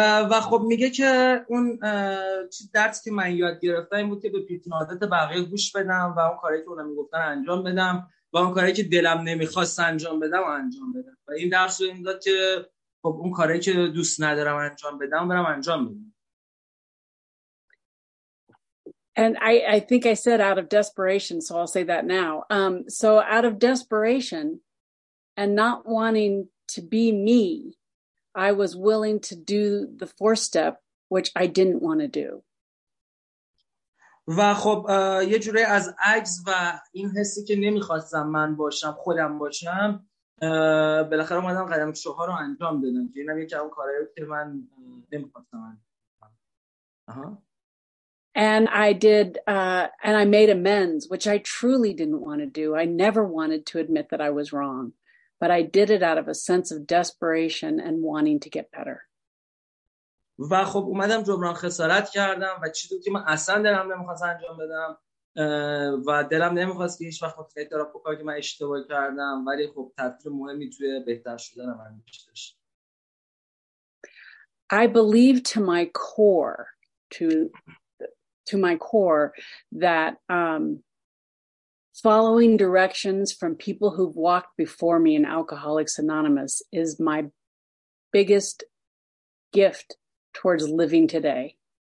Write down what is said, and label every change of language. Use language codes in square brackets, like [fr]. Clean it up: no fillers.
[fa] و خب میگه که اون چیز درس که من یاد گرفتم این بود که به پیشنهادات بقیه گوش بدم و اون کاری که اونا میگفتن انجام بدم. با اون کاری که دلم نمیخواست انجام بدم و انجام بدم و این درس رو این داد که خب اون کاری که دوست ندارم انجام بدم برم انجام بدم. [en] And I think I said out of desperation, so I'll say that now. So out of desperation and not wanting to be me, I was willing to do the fourth step, which I didn't want to do. [fa] و خب یه جوری از عجز و این حسی که نمیخواستم من باشم خودم باشم بالاخره اومدم قدم چهار رو انجام دادم که اینم یکی اون کارهایی که من نمیخواستم انجام. [en] And I did, and I made amends, which I truly didn't want to do. I never wanted to admit that I was wrong, but I did it out of a sense of desperation and wanting to get better. [fa] و خب اومدم جبران خسارت کردم و چیزی که من اصلا دلم نمیخواست انجام بدم و دلم نمیخواست که هیچ وقت خیلی دارم بکنم که من اشتباه کردم ولی خب تاثیر مهمی توی بهتر شدن من داشت. [en] I believe to my core that following directions from people who've walked before me in Alcoholics Anonymous is my biggest gift towards living today.